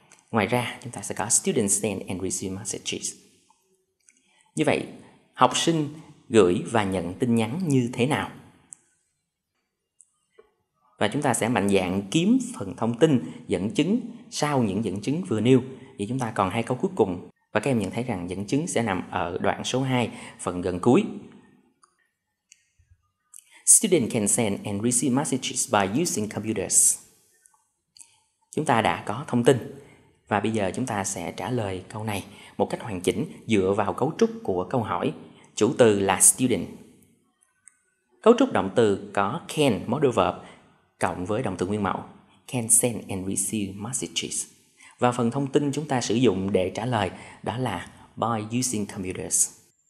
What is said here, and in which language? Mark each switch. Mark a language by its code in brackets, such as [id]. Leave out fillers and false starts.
[vi] Ngoài ra, chúng ta sẽ có [en] student send and receive messages. [vi] Như vậy, học sinh gửi và nhận tin nhắn như thế nào? Và chúng ta sẽ mạnh dạn kiếm phần thông tin dẫn chứng sau những dẫn chứng vừa nêu. Vậy chúng ta còn hai câu cuối cùng. Và các em nhận thấy rằng dẫn chứng sẽ nằm ở đoạn số 2, phần gần cuối. [en] Student can send and receive messages by using computers. [vi] Chúng ta đã có thông tin. Và bây giờ chúng ta sẽ trả lời câu này một cách hoàn chỉnh dựa vào cấu trúc của câu hỏi. Chủ từ là student. Cấu trúc động từ có can, modal verb, cộng với động từ nguyên mẫu. [en] Can send and receive messages. [vi] Và phần thông tin chúng ta sử dụng để trả lời đó là [en] by using computers.